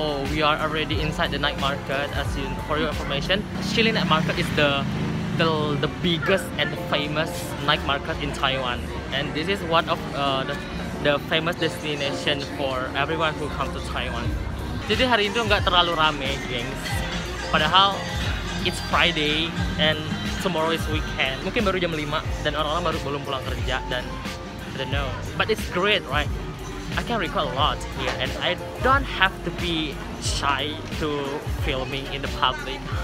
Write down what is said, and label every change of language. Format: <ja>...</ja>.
<en>We are already inside the night market. As you, for your information, Shilin Night Market is the biggest and famous night market in Taiwan, and this is one of the famous destination for everyone who come to Taiwan.</en> <id>Jadi hari itu nggak terlalu rame, gengs.</id> <en>Padahal it's Friday and tomorrow is weekend.</en> <id>Mungkin baru jam 5 dan orang-orang baru belum pulang kerja, dan</id> <en>I don't know. But it's great, right? I can record a lot here, and I don't have to be shy to filming in the public.</en>